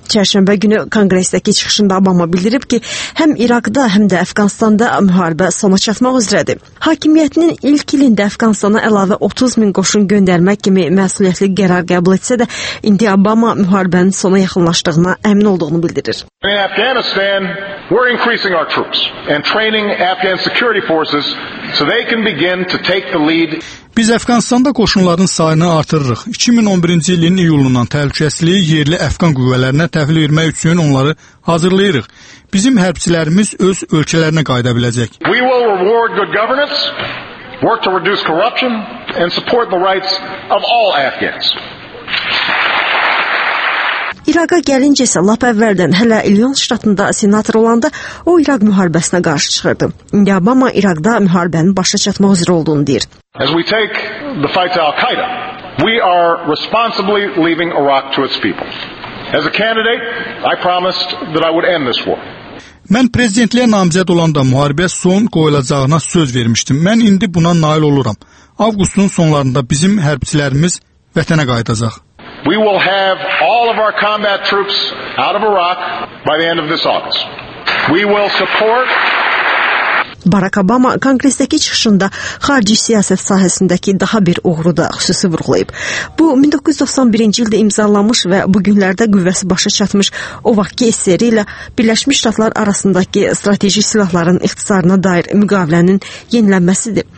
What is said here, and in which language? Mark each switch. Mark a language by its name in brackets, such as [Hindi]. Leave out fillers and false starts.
[Azerbaijani] Çərşənbə günü kongresdəki çıxışında Obama bildirib ki, həm İraqda, həm də Əfqanistanda müharibə sona çatmaq üzrədir. Hakimiyyətinin ilk ilində Əfqanistana əlavə 30 min qoşun göndərmək kimi məsuliyyətli qərar qəbul etsə də, indi Obama müharibənin sona yaxınlaşdığına əmin olduğunu bildirir. [English] In Afghanistan, we're increasing our troops and training Afghan security forces so they can begin to take the lead. [Azerbaijani] Biz Əfqanistanda qoşunların sayını artırırıq. 2011-ci ilin iyulundan təhlükəsizliyi yerli Əfqan qüvvələrinə təhvil vermək üçün onları hazırlayırıq. Bizim hərbçilərimiz öz ölkələrinə qayıda biləcək. [English] We will reward good governance, work to reduce corruption and support the rights of all Afghans. [Azerbaijani] İraqa gəlincə isə lap əvvəldən hələ İllinois ştatında senator olanda o İraq müharibəsinə qarşı çıxırdı. İndi Obama İraqda müharibənin başa çatmaq üzrə olduğunu deyir. [English] As we take the fight to Al-Qaeda, we are responsibly leaving Iraq to its people. As a candidate, I promised that I would end this war. [Azerbaijani] Mən prezidentliyə namizəd olanda müharibə son qoyulacağına söz vermişdim. Mən indi buna nail oluram. Avqustun sonlarında bizim hərbçilərimiz vətənə qayıdacaq. [English] We will have all of our combat troops out of Iraq by the end of this August. We will support. [Azerbaijani] Barack Obama kongresdəki çıxışında xarici siyasət sahəsindəki daha bir uğuru da xüsusi vurğulayıb. Bu, 1991-ci ildə imzalanmış və bugünlərdə qüvvəsi başa çatmış o vaxtki SSRİ ilə Birləşmiş Ştatlar arasındakı strateji silahların ixtisarına dair müqavilənin yenilənməsidir.